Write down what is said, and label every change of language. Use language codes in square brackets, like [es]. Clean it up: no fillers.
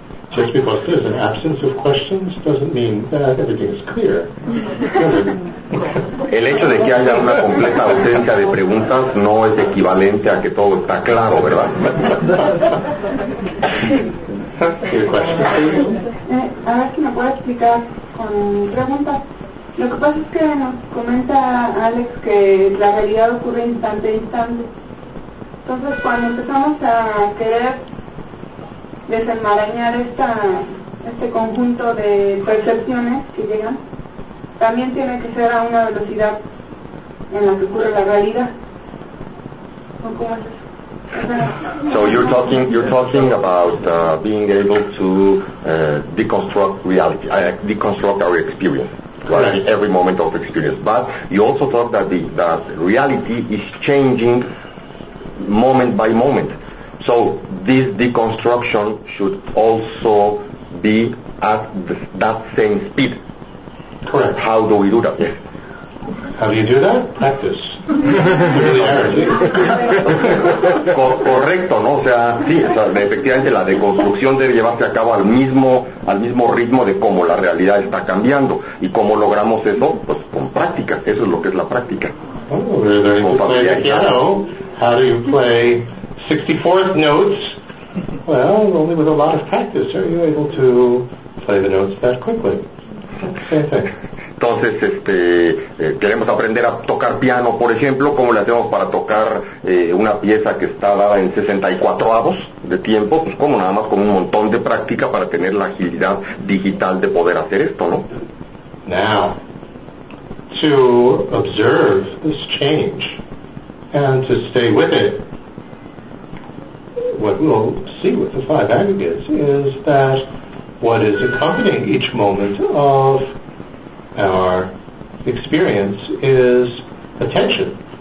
[en] Just because there's an absence of questions doesn't mean that everything is clear. [es] El hecho de que haya una completa ausencia de preguntas no es equivalente a que todo está claro, ¿verdad? ¿Qué question? A ver si me puede explicar con preguntas. Lo que pasa es que nos comenta Alex que la realidad ocurre instante a instante. Entonces, cuando empezamos a querer desenmarañar este conjunto de percepciones que llegan, también tiene que ser a una velocidad en la que ocurre la realidad. ¿O cómo es eso? [en] So you're talking about being able to deconstruct reality, deconstruct our experience, right? Right. Every moment of experience. But you also thought that that reality is changing moment by moment. So this deconstruction should also be at that same speed. Correct. How do we do that? Yes. How do you do that? Practice. [es] Correcto, ¿no? O sea, sí, o sea, efectivamente la deconstrucción debe llevarse a cabo al mismo ritmo de cómo la realidad está cambiando. ¿Y cómo logramos eso? Pues con práctica. Eso es lo que es la práctica. [en] Oh, very, very good. Piano. How do you play 64th notes? Well, only with a lot of practice are you able to play the notes that quickly. Same thing. [es] Entonces, queremos aprender a tocar piano, por ejemplo, ¿cómo le hacemos para tocar una pieza que está dada en 64avos de tiempo? Pues como nada más con un montón de práctica para tener la agilidad digital de poder hacer esto, ¿no? [en] Now, to observe this change and to stay with it, what we'll see with the five aggregates is that what is accompanying each moment of our experience is attention.